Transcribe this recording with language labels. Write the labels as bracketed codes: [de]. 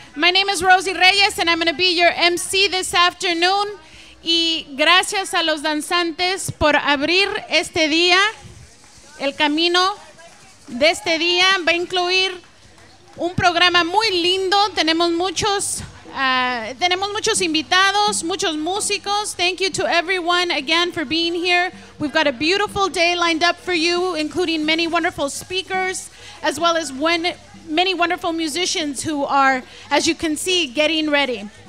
[en] My name is Rosie Reyes and I'm going to be your MC this afternoon. [es] Y gracias a los danzantes por abrir este día, el camino de este día va a incluir un programa muy lindo. Tenemos muchos invitados, muchos músicos. [en] Thank you to everyone again for being here. We've got a beautiful day lined up for you, including many wonderful speakers, as well as many wonderful musicians who are, as you can see, getting ready.